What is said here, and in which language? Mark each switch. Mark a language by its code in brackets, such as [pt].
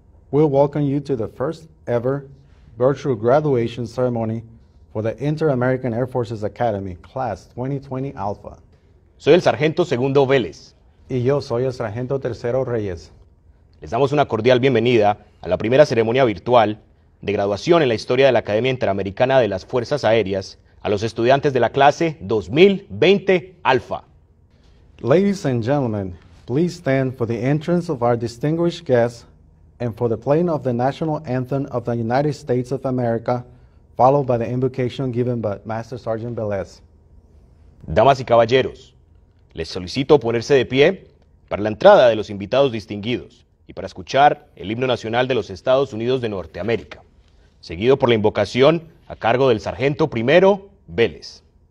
[en] We'll welcome you to the first ever virtual graduation ceremony for the Inter-American Air Forces Academy, Class 2020 Alpha. [es] Soy el Sargento Segundo Velez. Y yo soy el Sargento Tercero Reyes. Les damos una cordial bienvenida a la primera ceremonia virtual de graduación en la historia de la Academia Interamericana de las Fuerzas Aéreas a los estudiantes de la clase 2020 Alpha. [en] Ladies and gentlemen, please stand for the entrance of our distinguished guests and for the playing of the National Anthem of the United States of America, followed by the invocation given by Master Sergeant Velez. [es] Damas y caballeros, les solicito ponerse de pie para la entrada de los invitados distinguidos y para escuchar el himno nacional de los Estados Unidos de Norteamérica, seguido por la invocación a cargo del Sargento Primero Velez.